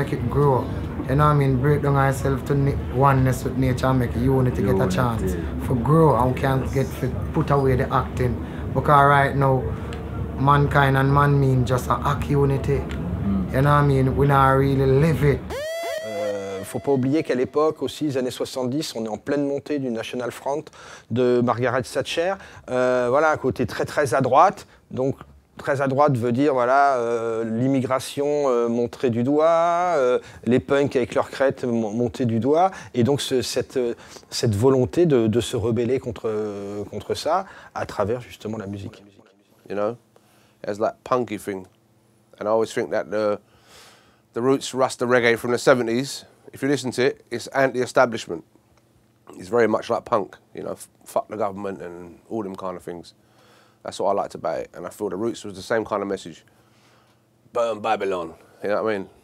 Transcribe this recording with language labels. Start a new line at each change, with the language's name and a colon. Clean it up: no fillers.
English: Make it grow, you know what I mean? Break down ourselves to oneness with nature and make unity get a chance for grow and can't get to put away the acting. Because right now, mankind and man mean just a hack unity, you know what I mean? We not really live it.
French: Faut pas oublier qu'à l'époque, aussi, les années 70, on est en pleine montée du National Front de Margaret Thatcher. Voilà, un côté très, très à droite. Donc, très à droite veut dire, voilà, l'immigration montrée du doigt, les punks avec leurs crêtes montées du doigt. Et donc, cette volonté de se rebeller contre ça à travers, justement, la musique.
English: You know, there's that punky thing. And I always think that the roots rasta reggae from the 70s, if you listen to it, it's anti-establishment. It's very much like punk, you know, fuck the government and all them kind of things. That's what I liked about it. And I feel the roots was the same kind of message. Burn Babylon, you know what I mean?